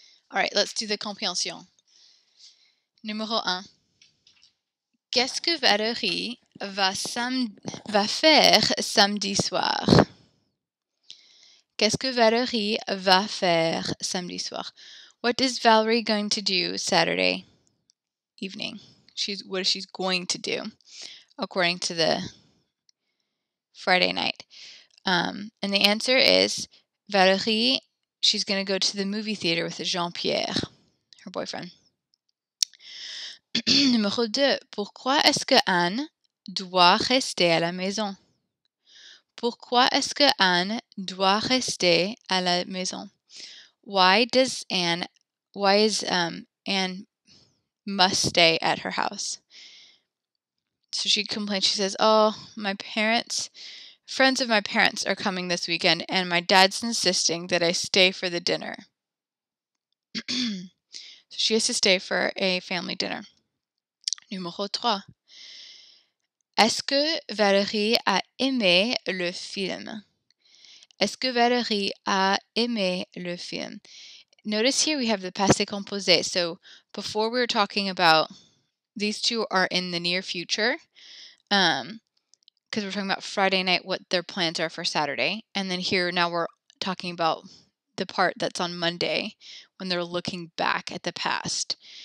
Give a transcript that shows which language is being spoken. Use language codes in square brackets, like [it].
[en] All right, let's do the compréhension. [fr] Numéro 1. Qu'est-ce que Valérie va faire samedi soir? Qu'est-ce que Valérie va faire samedi soir? [en] What is Valérie going to do Saturday evening? What is she going to do according to the Friday night? And the answer is Valérie, she's going to go to the movie theater with Jean-Pierre, her boyfriend. [fr] Numéro 2. Pourquoi est-ce que Anne doit rester à la maison? Pourquoi est-ce que Anne doit rester à la maison? [en] Why is Anne must stay at her house? So she complains. She says, oh, my parents, friends of my parents are coming this weekend and my dad's insisting that I stay for the dinner. So she has to stay for a family dinner. [fr] Numéro 3. Est-ce que Valérie a aimé le film? Est-ce que Valérie a aimé le film? [en] Notice here we have the passé composé. So before we were talking about these two are in the near future, because we're talking about Friday night, what their plans are for Saturday. And then here now we're talking about the part that's on Monday when they're looking back at the past.